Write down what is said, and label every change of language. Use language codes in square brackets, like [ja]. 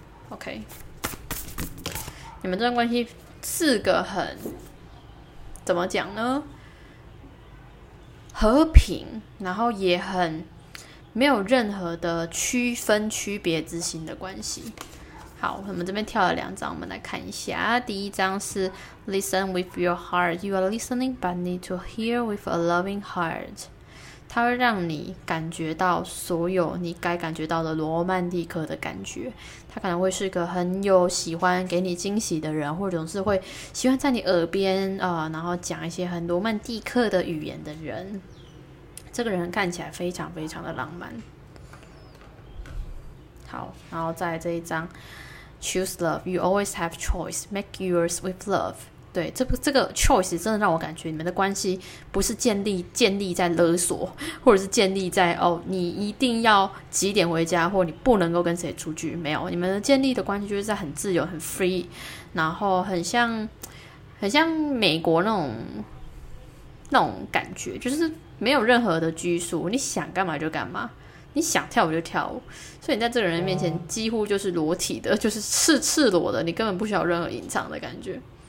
[zh] OK， 你们这段关系是个很怎么讲呢，和平，然后也很没有任何的区分区别之心的关系。好，我们这边跳了两张，我们来看一下。第一张是 [en] Listen with your heart. You are listening but need to hear with a loving heart. [zh] 它会让你感觉到所有你该感觉到的罗曼蒂克的感觉。它可能会是个很有喜欢给你惊喜的人，或者总是会喜欢在你耳边然后讲一些很罗曼蒂克的语言的人。这个人看起来非常非常的浪漫。好，然后再来这一张 [en] Choose love, you always have choice, make yours with love。 [zh] 对，这个 choice 真的让我感觉你们的关系不是建立在勒索，或者是建立在哦，你一定要几点回家，或你不能够跟谁出去，没有，你们的建立的关系就是在很自由很 free， 然后很像美国那种感觉，就是没有任何的拘束，你想干嘛就干嘛，你想跳舞就跳舞，所以你在这个人面前几乎就是裸体的，就是赤裸的，你根本不需要任何隐藏的感觉。